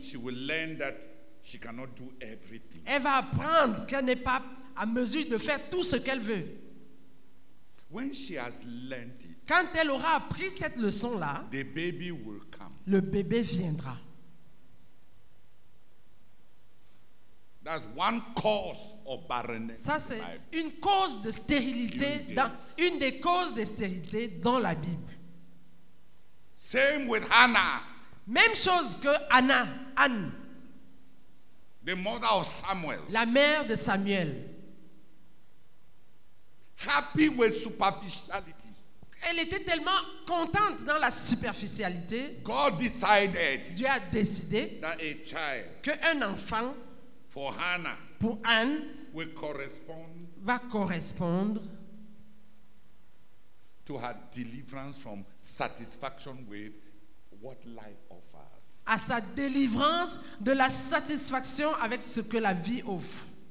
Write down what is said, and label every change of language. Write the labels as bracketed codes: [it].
[en] She will learn that she cannot do everything. [fr] Elle va apprendre qu'elle n'est pas à mesure de faire tout ce qu'elle veut. [en] When she has learned it, [fr] quand elle aura appris cette leçon-là, [en] the baby will come. [fr] Le bébé viendra. [en] That's one cause of barrenness. [fr] Ça, c'est une cause de stérilité, une des causes de stérilité dans la Bible. [en] Same with Hannah. [fr] Même chose que Anne. [en] The mother of Samuel. [fr] La mère de Samuel. [en] Happy with superficiality. [fr] Elle était tellement contente dans la superficialité. [en] God decided. [fr] Dieu a décidé [en] that a child [fr] qu'un enfant [en] for Hannah [fr] pour Anne [en] will correspond [fr] va correspondre [en] to her deliverance from satisfaction with what life offers. [fr] À sa délivrance de la satisfaction avec ce que la vie offre.